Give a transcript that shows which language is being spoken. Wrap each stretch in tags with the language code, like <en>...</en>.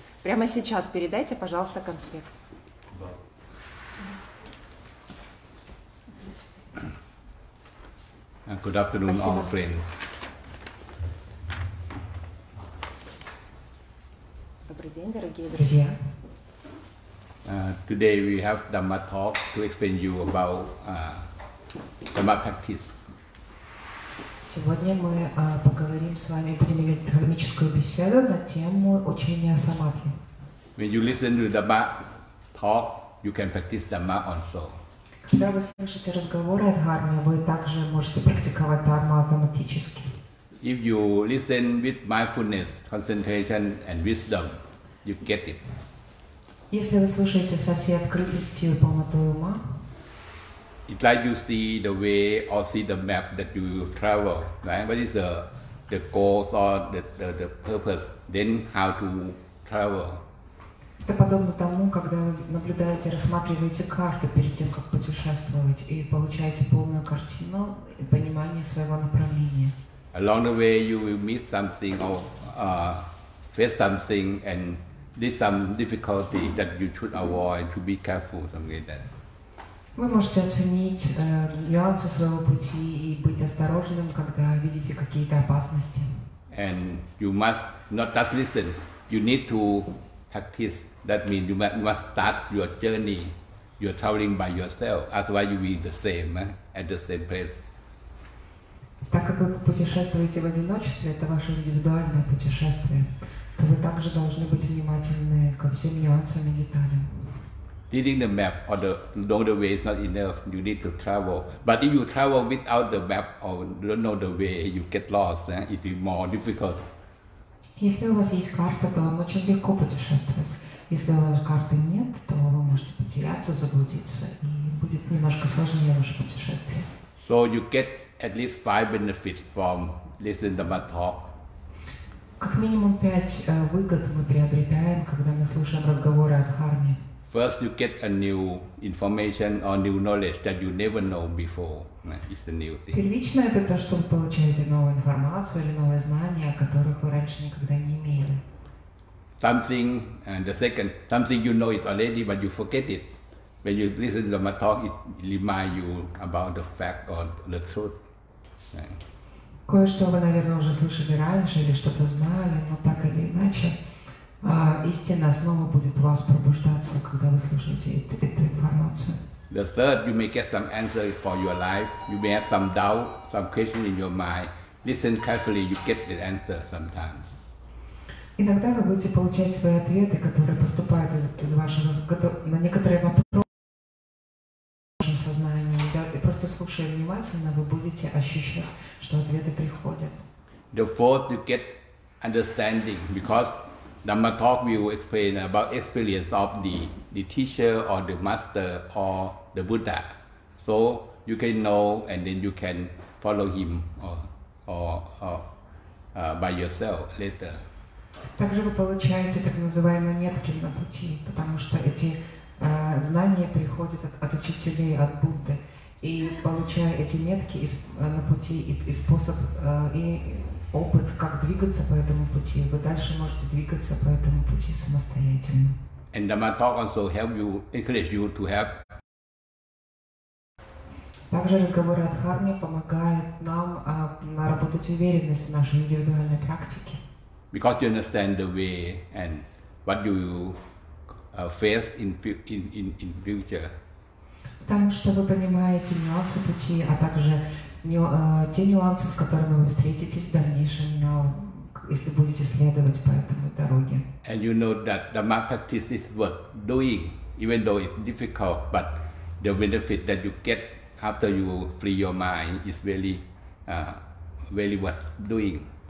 <ru>Прямо сейчас передайте, пожалуйста, конспект.</ru> <en>Good afternoon, all friends.</en> <ru>Добрый день, дорогие друзья.</ru> <en>Today we have Dhamma talk to explain you about Dhamma practice.</en> <ru>Сегодня мы поговорим с вами, будем иметь дхармическую беседу на тему учения самадхи.</ru> <en>When you listen to Dhamma talk, you can practice Dhamma also.</en> <ru>Когда вы слышите разговоры о дхарме, вы также можете практиковать дхарму автоматически.</ru> <en>If you listen with mindfulness, concentration and wisdom, you get it.</en> <ru>Если вы слушаете со всей открытостью и полнотой ума,</ru> <en>it's like you see the way or see the map that you travel, right? What is the goals or the purpose? Then how to travel?</en> <ru>Это подобно тому, когда вы наблюдаете, рассматриваете карту перед тем, как путешествовать, и получаете полную картину и понимание своего направления.</ru> <en>Along the way, you will meet something or face something, and there's some difficulty that you should avoid, to be careful, something like that.</en> <ru>Вы можете оценить нюансы своего пути и быть осторожным, когда видите какие-то опасности.</ru> <en>And you must not just listen. You need to practice. That means you must start your journey. You're traveling by yourself. Otherwise, you will be the same at the same place.</en> <ru>Так как вы путешествуете в одиночестве, это ваше индивидуальное путешествие, то вы также должны быть внимательны ко всем нюансам и деталям.</ru> <en>Reading the map or the know the way is not enough. You need to travel. But if you travel without the map or don't know the way, you get lost. It is more difficult.</en> <ru>Если у вас есть карта, то вам очень легко путешествовать. Если у вас карты нет, то вы можете потеряться, заблудиться, и будет немножко сложнее ваше путешествие.</ru> <en>So you get at least 5 benefits from listening to my talk.</en> <ru>Как минимум 5 выгод мы приобретаем, когда мы слушаем разговоры о дхарме.</ru> <en>First, you get a new information or new knowledge that you never know before. It's a new thing.</en> <ru>Первично это то, что вы получаете новую информацию или новые знания, о которых вы раньше никогда не имели.</ru> <en>Something, and the second, something you know it already, but you forget it. When you listen to my talk, it reminds you about the fact or the truth.</en> <ru>Кое-что вы, наверное, уже слышали раньше или что-то знали, но так или иначе. Истина снова будет у вас пробуждаться, когда вы слушаете эту информацию.</ru> <en>The third, you may get some answers for your life. You may have some doubt, some question in your mind. Listen carefully, you get the answer sometimes.</en> <ru>Иногда вы будете получать свои ответы, которые поступают из вашего на некоторые вопросы в вашем сознании. Да, и просто слушая внимательно, вы будете ощущать, что ответы приходят.</ru> <en>The fourth, you get understanding, because Dhamma talk will explain about experience of the teacher or the master or the Buddha. So you can know and then you can follow him or by yourself later.</en> <ru>Также вы получаете так называемые метки на пути, потому что эти знания приходят от учителей, от Будды. И получая эти метки на пути и способ и опыт, как двигаться по этому пути, вы дальше можете двигаться по этому пути самостоятельно.</ru> <en>And Dhamma talk also help you, encourage you to have.</en> <ru>Также разговоры о дхарме помогают нам наработать уверенность в нашей индивидуальной практике.</ru> <en>Because you understand the way and what you face in future.</en> <ru>Потому что вы понимаете нюансы пути, а также те нюансы, с которыми вы встретитесь в дальнейшем, но если будете следовать по этому дороге.</ru> <en>And you know that Dhamma practice is worth doing, even though it's difficult, but the benefit that you get after you free your mind is really, really worth doing.</en>